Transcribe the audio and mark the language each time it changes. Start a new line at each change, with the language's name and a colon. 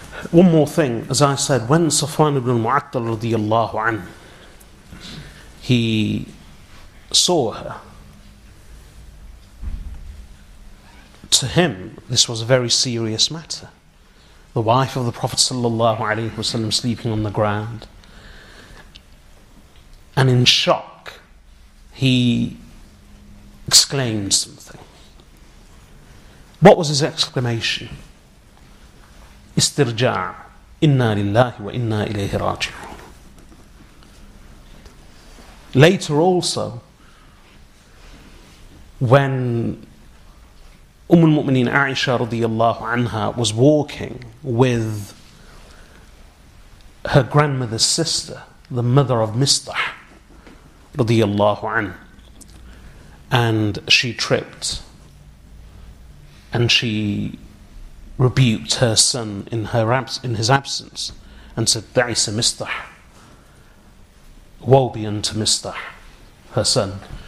English: One more thing, as I said, when Safwan ibn Mu'attar radiyallahu anhu, he saw her, to him this was a very serious matter. The wife of the Prophet sallallahu alaihi wasallam sleeping on the ground, and in shock he exclaimed something. What was his exclamation?
Arabic: استرجع إنا لله وإنا إليه راجعون.
English: Later also, when al-Mu'mineen Aisha radiyallahu anha was walking with her grandmother's sister, the mother of Mistah radiyallahu anha, and she tripped and she rebuked her son in his absence and said, Da'isa Mistah, woe be unto Mistah, her son.